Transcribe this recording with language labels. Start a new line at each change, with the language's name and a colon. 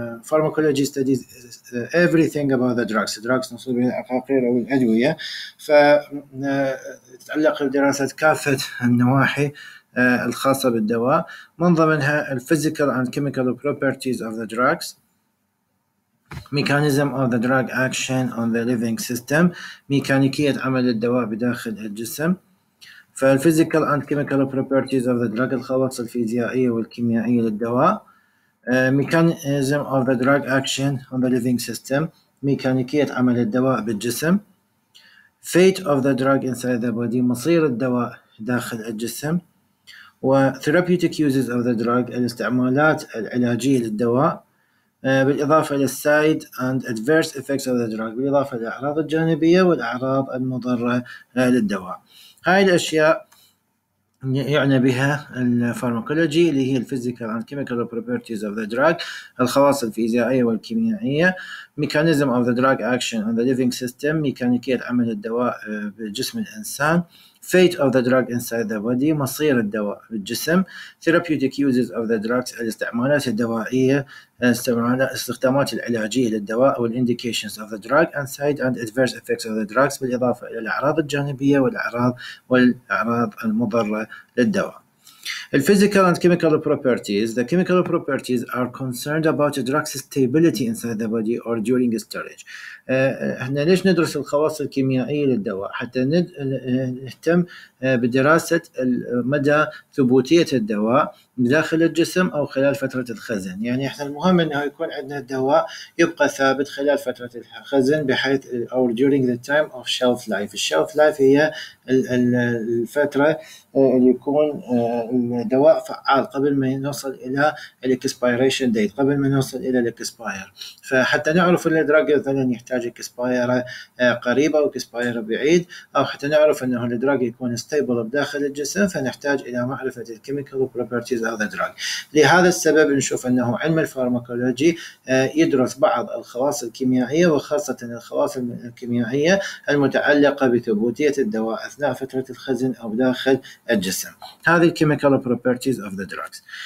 English: Pharmacology studies everything about the drugs.
Arabic: Drugs نصيبها الأقارير أو الأدوية. فتتعلق بدراسة كافة النواحي الخاصة بالدواء. من ضمنها
English: الphysical and chemical properties of the drugs. Mechanism of the drug action on the living system.
Arabic: ميكانيكية عمل الدواء بداخل الجسم.
English: فالphysical and chemical properties of the drug.
Arabic: الخواص الفيزيائية والكيميائية للدواء.
English: Mechanism of the drug action on the living system.
Arabic: ميكانيكية عمل الدواء بالجسم.
English: Fate of the drug inside the body.
Arabic: مصير الدواء داخل الجسم.
English: Therapeutic uses of the drug.
Arabic: الاستعمالات العلاجية للدواء. بالإضافة إلى السايد
English: and adverse effects of the drug.
Arabic: بالإضافة إلى الأعراض الجانبية والأعراض المضرة للدواء. هاي الأشياء يعنى بها الفارماكولوجي اللي هي ال
English: physical and chemical properties of the drug.
Arabic: الخواص الفيزيائية والكيميائية.
English: Mechanism of the drug action on the living system.
Arabic: ميكانيكية عمل الدواء بجسم الإنسان.
English: Fate of the drug inside the body.
Arabic: مصير الدواء بالجسم.
English: Therapeutic uses of the drugs.
Arabic: الاستعمالات الدوائية. استخدامات العلاجية للدواء.
English: والindications of the drug. And side and adverse effects of the drugs.
Arabic: بالإضافة إلى الأعراض الجانبية والأعراض المضرة للدواء.
English: The physical and chemical properties. The chemical properties are concerned about the drug's stability inside the body or during storage.
Arabic: احنا ليش ندرس الخواص الكيميائية للدواء؟ حتى نهتم بدراسة مدى ثبوتية الدواء داخل الجسم أو خلال فترة الخزن. يعني احنا المهم انه يكون عندنا الدواء يبقى ثابت خلال فترة الخزن بحيث
English: or during the time of shelf life.
Arabic: الشلف لايف هي الفترة اللي يكون الدواء فعال قبل ما نوصل إلى الإكسبيريشن ديت، قبل ما نوصل إلى الإكسباير. فحتى نعرف إن الدراج مثلاً يحتاج إكسباير قريبة أو إكسباير بعيد، أو حتى نعرف إنه الدراج يكون ستيبل بداخل الجسم، فنحتاج إلى معرفة الكيميكال بروبرتيز هذا الدراج. لهذا السبب نشوف إنه علم الفارماكولوجي يدرس بعض الخواص الكيميائية وخاصة الخواص الكيميائية المتعلقة بثبوتية الدواء أثناء فترة الخزن أو داخل الجسم. هذه الكيميكال
English: properties of the drugs.